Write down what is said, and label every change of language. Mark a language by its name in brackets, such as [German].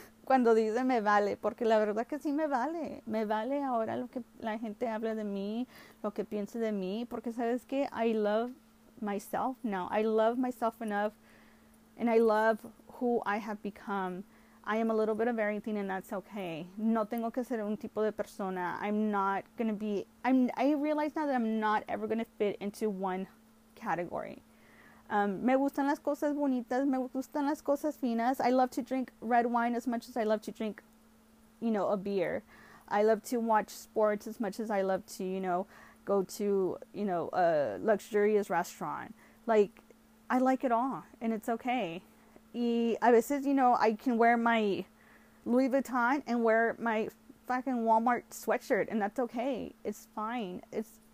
[Spanish] Cuando dice me vale, porque la verdad que sí me vale. Me vale ahora lo que la gente habla de mí, lo que piense de mí, porque sabes que [English] I love myself now. I love myself enough, and I love who I have become. I am a little bit of everything, and that's okay. [Spanish] No tengo que ser un tipo de persona. [English] I realize now that I'm not ever going to fit into one category. [Spanish] Me gustan las cosas bonitas, me gustan las cosas finas. [English] I love to drink red wine as much as I love to drink, you know, a beer. I love to watch sports as much as I love to, you know, go to, you know, a luxurious restaurant. Like, I like it all, and it's okay. [Spanish] Y a veces, [English] you know, I can wear my Louis Vuitton and wear my fucking Walmart sweatshirt, and that's okay. It's fine. It's